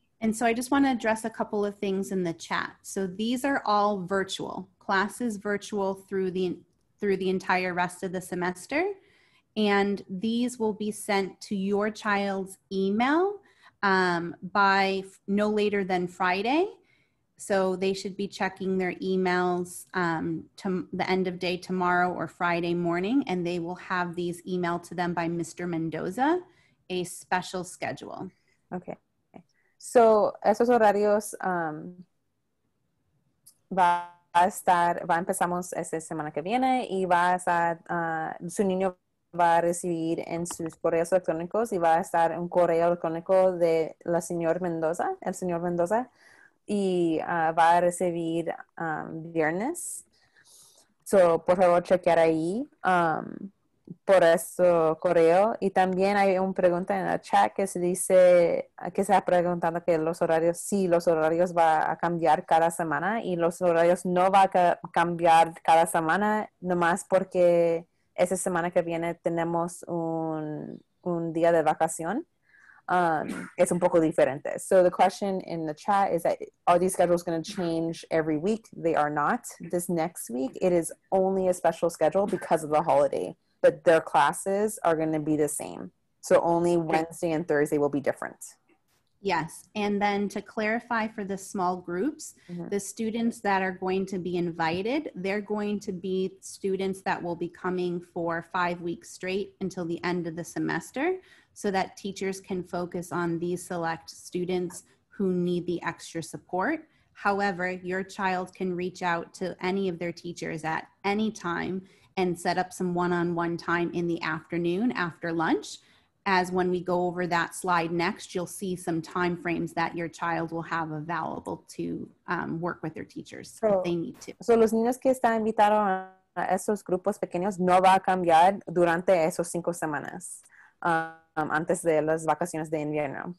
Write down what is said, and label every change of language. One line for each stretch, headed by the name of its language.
English: And so I just want to address a couple of things in the chat. So these are all virtual classes, virtual through the entire rest of the semester, and these will be sent to your child's email by no later than Friday. So they should be checking their emails to the end of day tomorrow or Friday morning, and they will have these emailed to them by Mr. Mendoza, a special schedule. Okay.
Spanish: So esos horarios va a estar, va a empezamos esta semana que viene, y va a estar, su niño va a recibir en sus correos electrónicos, y va a estar un correo electrónico de la señora Mendoza, el señor Mendoza, y va a recibir viernes. So, por favor, chequear ahí por ese correo. Y también hay una pregunta en el chat que se dice, que se ha preguntado que los horarios, si los horarios va a cambiar cada semana, y los horarios no va a cambiar cada semana, nomás porque esa semana que viene tenemos un día de vacación.
English: It's
Spanish: un poco diferente.
English: So the question in the chat is that are these schedules going to change every week? They are not. This next week, it is only a special schedule because of the holiday, but their classes are going to be the same. So only Wednesday and Thursday will be different. Yes. And then to clarify for the small groups, mm-hmm. the students that are going to be invited, they're going to be students that will be coming for 5 weeks straight until the end of the semester, so that teachers can focus on these select students who need the extra support. However, your child can reach out to any of their teachers at any time and set up some one-on-one time in the afternoon after lunch. As when we go over that slide next, you'll see some time frames that your child will have available to work with their teachers if they need to.
Spanish: So los niños que están invitados a esos grupos pequeños no va a cambiar durante esos cinco semanas antes de las vacaciones de invierno.